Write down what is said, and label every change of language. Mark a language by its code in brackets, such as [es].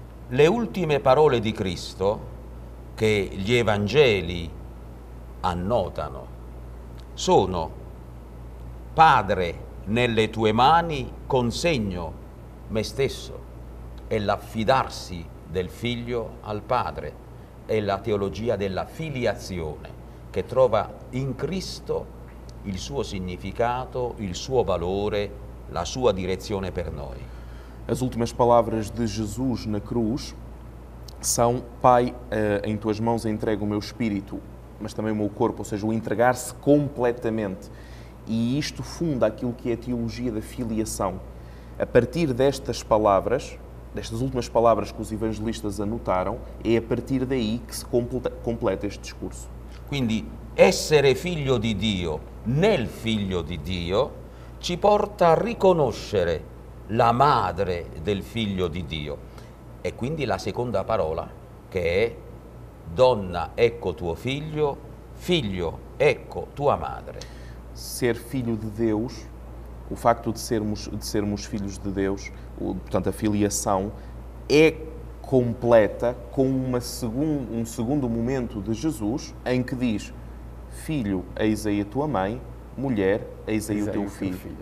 [it] Le ultime parole di Cristo che gli Evangeli annotano sono: Padre, nelle tue mani consegno me stesso. È l'affidarsi del figlio al Padre, è la teologia della filiazione che trova in Cristo il suo significato, il suo valore, la sua direzione per noi. [pt] As últimas palavras de Jesus na cruz são: Pai, em tuas mãos entrego o meu espírito, mas também o meu corpo, ou seja, o entregar-se completamente. E isto funda aquilo que é a teologia da filiação. A partir destas palavras, destas últimas palavras que os evangelistas anotaram, é a partir daí que se completa este discurso. [it] Quindi, essere figlio di Dio nel figlio di Dio ci porta a riconoscere la madre del figlio di Dio. E quindi la seconda parola, che è: donna, ecco tuo figlio, figlio, ecco tua madre. [pt] Ser filho de Deus, o facto de sermos filhos de Deus, portanto a filiação, é completa com um segundo momento de Jesus, em que diz: filho, eis aí a tua mãe, mulher, eis aí o teu filho.